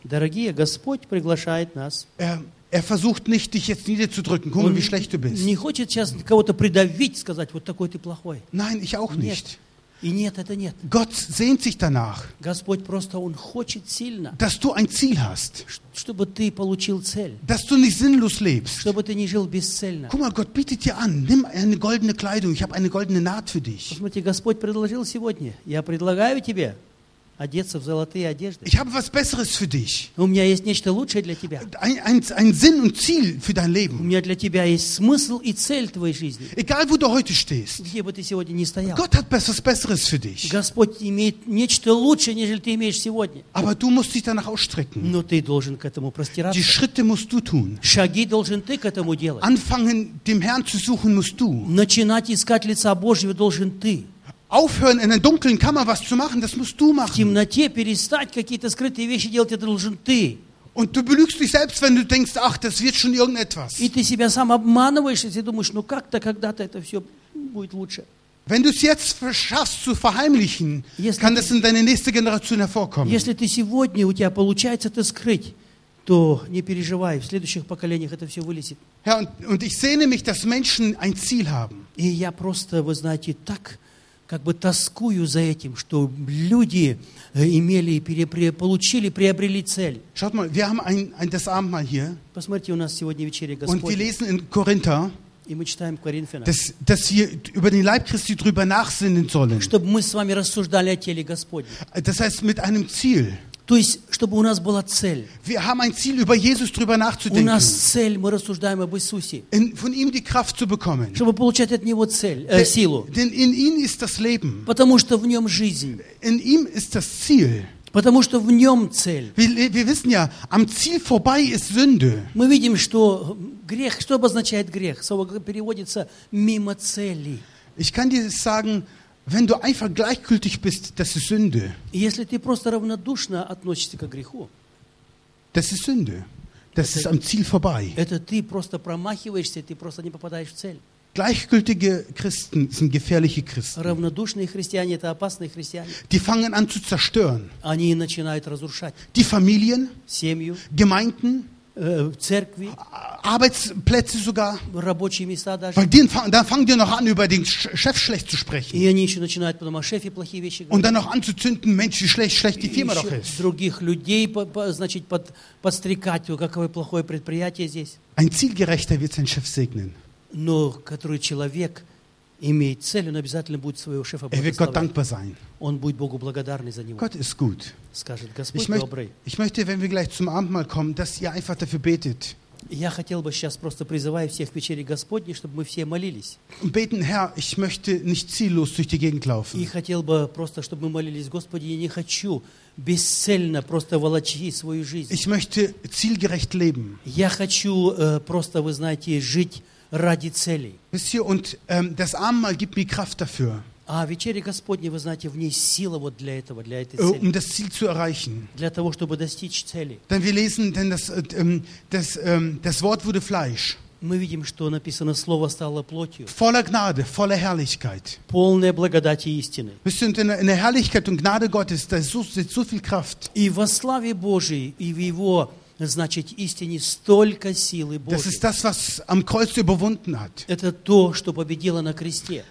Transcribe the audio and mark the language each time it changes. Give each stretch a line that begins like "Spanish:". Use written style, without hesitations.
Russian: Дорогие, Господь приглашает нас.
German: Er versucht nicht, dich jetzt niederzudrücken, guck mal, wie schlecht du bist.
Russian: Не хочет сейчас кого-то придавить, сказать, вот такой ты плохой.
German: Nein, ich auch nicht.
Russian: Нет. И нет, это нет.
German: Gott sehnt sich danach.
Russian: Господь просто он хочет сильно.
German: Dass du ein Ziel hast.
Russian: Чтобы ты получил цель.
German: Dass du nicht sinnlos lebst.
Russian: Чтобы ты не жил бесцельно.
German: Guck mal, Gott bietet dir an, nimm eine goldene Kleidung. Ich habe eine goldene Naht für dich.
Russian: Посмотрите, Господь предложил сегодня. Я предлагаю тебе одеться в золотые одежды.
German: Ich habe was Besseres für dich.
Russian: У меня есть нечто лучшее для тебя.
German: Ein Sinn und Ziel für dein Leben.
Russian: У меня для тебя есть смысл и цель твоей жизни.
German: Egal wo du heute stehst.
Russian: Где бы ты сегодня ни стоял.
German: Gott hat was Besseres für dich.
Russian: Господь имеет нечто лучшее, нежели ты имеешь сегодня.
German: Aber du musst dich danach ausstrecken.
Russian: Но ты должен к этому простираться.
German: Die Schritte musst du tun.
Russian: Шаги должен ты к этому делать.
German: Anfangen dem Herrn zu suchen musst du.
Russian: Начинать искать лица Божьего должен ты.
German: Aufhören, in einer dunklen Kammer was zu machen, das musst du machen.
Russian: В темноте перестать какие-то скрытые вещи делать, это должен ты.
German: Und du belügst dich selbst, wenn du denkst, ach, das wird schon irgendetwas.
Russian: И ты себя сам обманываешь, если думаешь, ну как-то, когда-то это все будет лучше.
German: Wenn du es jetzt schaffst zu verheimlichen, kann das in deine nächste Generation hervorkommen.
Russian: Если ты сегодня у тебя получается это скрыть, то не переживай, в следующих поколениях это все вылезет.
German: Herr, und ich sehne mich, dass Menschen ein Ziel haben.
Russian: И я просто, вы знаете, так как бы тоскую за этим, что люди имели, получили, приобрели цель.
German: Schaut mal, wir haben ein das Abendmahl hier.
Russian: Посмотрите, у нас сегодня вечеря Господня.
German: Und wir lesen in Korinther.
Russian: И мы читаем Коринфянам.
German: Dass wir über den Leib Christi drüber nachsinnen sollen.
Russian: Чтобы мы с вами рассуждали о теле Господнем.
German: Das heißt mit einem Ziel.
Russian: То есть, чтобы у нас была цель.
German: Wir haben ein Ziel, über Jesus drüber nachzudenken.
Russian: У нас цель, мы рассуждаем об Иисусе.
German: Von ihm die Kraft zu bekommen.
Russian: Чтобы получать от него цель, силу.
German: Denn in ihm ist das Leben.
Russian: Потому что в нем жизнь.
German: In ihm ist das Ziel.
Russian: Потому что в нем цель.
German: Wir wissen ja, am Ziel vorbei ist Sünde.
Russian: Мы видим, что грех, что обозначает грех? Слово переводится мимо цели.
German: Ich kann dir sagen, wenn du einfach gleichgültig bist, das ist Sünde.
Russian: Если ты просто равнодушно относишься к греху,
German: das ist Sünde. Das ist am Ziel vorbei.
Russian: Это ты просто промахиваешься, ты просто не попадаешь в цель.
German: Gleichgültige Christen sind gefährliche Christen.
Russian: Равнодушные христиане это опасные христиане.
German: Die fangen an zu zerstören.
Russian: Они начинают разрушать.
German: Die Familien,
Russian: семью,
German: Gemeinden,
Russian: церкви,
German: Arbeitsplätze sogar.
Russian: Рабочие места даже.
German: Weil dann fangen die noch an über den Chef schlecht zu sprechen.
Russian: И они еще начинают потом о шефе плохие вещи говорить.
German: Und dann noch anzuzünden, Mensch, wie schlecht die Firma doch ist.
Russian: Других людей значит подстрекать, какое плохое предприятие здесь.
German: Ein Zielgerechter wird sein Chef segnen.
Russian: Но который человек имеет цель, он обязательно будет своего шефа благословлять. Он будет Богу благодарный за него.
German: Gott ist gut.
Russian: Скажет Господь добрый.
German: Ich möchte, wenn wir gleich zum Abendmahl kommen, dass ihr einfach dafür betet.
Russian: Я хотел бы сейчас просто призываю всех к вечере Господней, чтобы мы все молились.
German: Beten, Herr, ich möchte nicht ziellos durch die Gegend laufen.
Russian: И хотел бы просто, чтобы мы молились, Господи, я не хочу бесцельно просто волочить свою жизнь.
German: Ich möchte zielgerecht leben.
Russian: Я хочу просто, вы знаете, жить ради цели.
German: Wisst ihr, und das Abendmahl gibt mir Kraft dafür.
Russian: А вечеря Господня, вы знаете, в ней сила вот для этого, для этой цели.
German: Das Ziel zu erreichen.
Russian: Для того, чтобы достичь цели.
German: Denn wir lesen, denn das Wort wurde Fleisch.
Russian: Мы видим, что написано, слово стало плотью.
German: Voller Gnade, voller Herrlichkeit.
Russian: Полная благодать и истины.
German: Wisst ihr, und in der Herrlichkeit und Gnade Gottes, da ist so viel Kraft.
Russian: И во славе Божией и в его значит, истине столько силы Божьей.
German: Das ist das, was am Kreuz überwunden hat.
Russian: Это то, что победило на кресте.